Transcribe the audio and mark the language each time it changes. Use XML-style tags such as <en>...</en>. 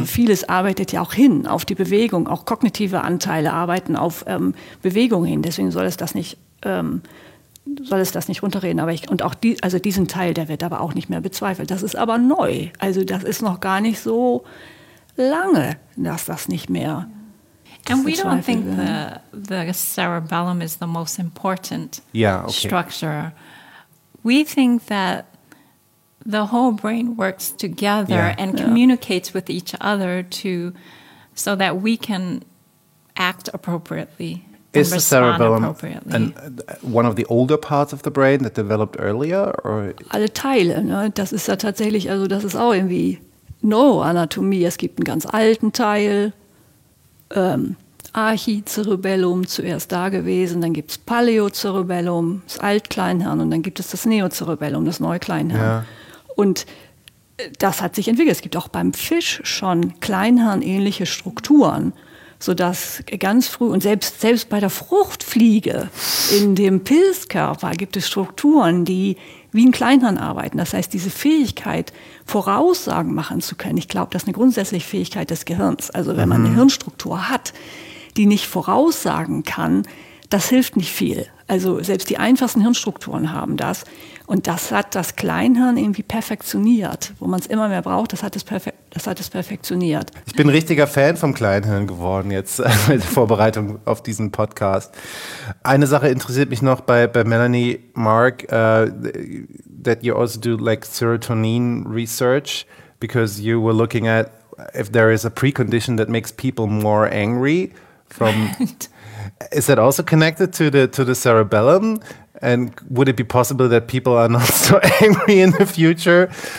<de>Also vieles arbeitet ja auch hin auf die Bewegung. Auch kognitive Anteile arbeiten auf Bewegung hin. Deswegen soll es das nicht runterreden. Aber also diesen Teil, der wird aber auch nicht mehr bezweifelt. Das ist aber neu. Also das ist noch gar nicht so lange, dass das nicht mehr.</de> <en>And we don't think the cerebellum is the most important structure. We think that the whole brain works together and communicates with each other so that we can act appropriately. Is the cerebellum one of the older parts of the brain that developed earlier? Or?</en> <de>Alle Teile, ne? Das ist ja tatsächlich, also das ist auch irgendwie Neuroanatomie. Es gibt einen ganz alten Teil, Archicerebellum zuerst da gewesen, dann gibt es Paleocerebellum, das Altkleinhirn, und dann gibt es das Neocerebellum, das Neukleinhirn. Ja. Und das hat sich entwickelt. Es gibt auch beim Fisch schon kleinhirnähnliche Strukturen, sodass ganz früh, und selbst bei der Fruchtfliege in dem Pilzkörper gibt es Strukturen, die wie ein Kleinhirn arbeiten. Das heißt, diese Fähigkeit, Voraussagen machen zu können, ich glaube, das ist eine grundsätzliche Fähigkeit des Gehirns. Also wenn man eine Hirnstruktur hat, die nicht voraussagen kann, das hilft nicht viel. Also selbst die einfachsten Hirnstrukturen haben das. Und das hat das Kleinhirn irgendwie perfektioniert. Wo man es immer mehr braucht, das hat es perfektioniert. Ich bin ein richtiger Fan vom Kleinhirn geworden jetzt mit der Vorbereitung auf diesen Podcast. Eine Sache interessiert mich noch bei</de> <en>Melanie Mark, that you also do like serotonin research, because you were looking at if there is a precondition that makes people more angry from... Right. Is that also connected to the cerebellum? And would it be possible that people are not so angry in the future?</en>